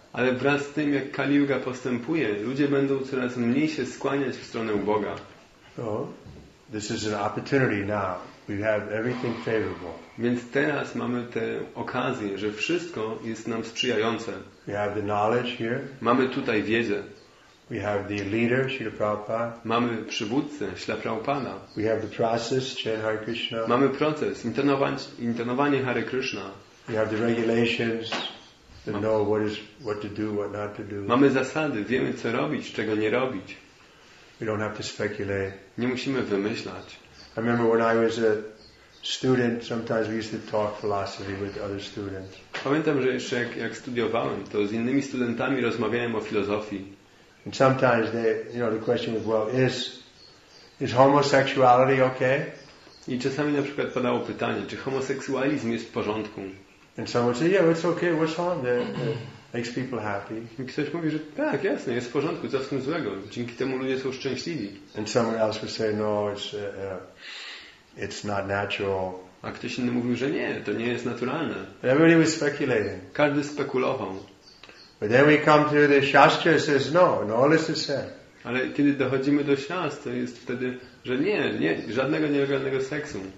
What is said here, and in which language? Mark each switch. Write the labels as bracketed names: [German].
[Polish] Ale wraz z tym, jak Kali Yuga postępuje, ludzie będą coraz mniej się skłaniać w stronę Boga. [English] So, this is an opportunity now. We have everything favorable. [Polish] Więc teraz mamy tę okazję, że wszystko jest nam sprzyjające. [English] We have the knowledge here. [Polish] Mamy tutaj wiedzę. [English] We have the leader, Śrīla Prabhupāda. [Polish] Mamy przywódcę, Śrīla Prabhupāda. [English] We have the process, chant Hare Krishna. [Polish] Mamy proces, intonowanie Hare Krishna. [English] We have the regulations, to know what to do, what not to do. [Polish] Mamy zasady, wiemy co robić, czego nie robić. [English] We don't have to speculate. [Polish] Nie musimy wymyślać. [English] I remember when I was a student, sometimes we used to talk philosophy with other students. [Polish] Pamiętam, że jeszcze jak studiowałem, to z innymi studentami rozmawiałem o filozofii. [English] And sometimes they, you know, the question was, well, is homosexuality okay? [Polish] I czasami na przykład padało pytanie, czy homoseksualizm jest w porządku? [English] And someone said, yeah, it's okay. What's wrong? It makes people happy. [Polish] I ktoś mówi, że tak, jasne, jest w porządku. Co w tym złego? Dzięki temu ludzie są szczęśliwi. [English] And someone else would say, no, it's not natural. [Polish] A ktoś inny mówił, że nie, to nie jest naturalne. [English] Everybody was speculating. [Polish] Każdy spekulował. [English] But then we come to the Shastra says no, and all this is said. [Polish] Ale kiedy dochodzimy do Shastra, jest wtedy, że nie, żadnego nielegalnego seksu.